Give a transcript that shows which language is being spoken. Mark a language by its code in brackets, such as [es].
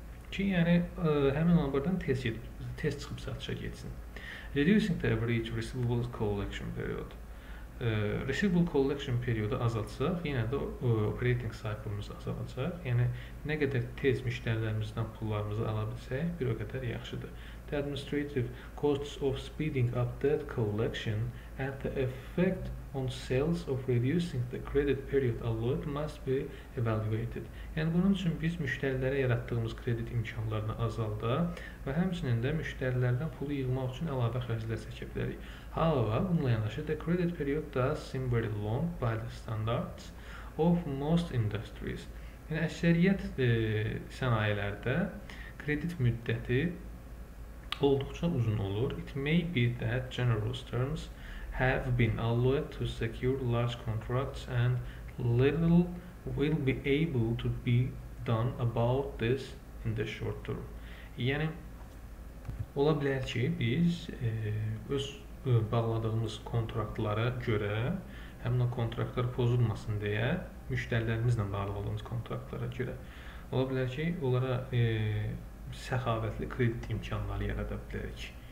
[az] Ki, yəni həmin ambardan tez çıxıb satışa geçsin. [en] Reducing the average receivable collection period. [az] Receivable collection periodu azaltsaq, yenə də operating cycle-ımız azalacaq. Yəni, nə qədər tez müştərilərimizdən pullarımızı ala bilsək, bir o qədər yaxşıdır. [en] The administrative costs of speeding up debt collection and the effect on sales of reducing the credit period allowed must be evaluated. [az] Yəni, bunun üçün biz müştərilərə yaratdığımız kredit imkanlarını azalda və həmçinin də müştərilərdən pulu yığmaq üçün əlavə xərclər çəkə bilərik. [en] However, [az] bununla yanaşı, [en] the credit period does seem very long by the standards of most industries. [az] Yəni, əksəriyyət sənayelərdə kredit müddəti olduqca uzun olur. [en] It may be that generous terms have been allowed to secure large contracts and little will be able to be done about this in the short term. [az] Yəni, ola bilər ki, biz öz bağladığımız kontraktlara görə, həmin o kontraktlar pozulmasın deyə, müştərilərimizlə bağladığımız kontraktlara görə, ola bilər ki, onlara səxavətli kredit imkanları yarada bilərik.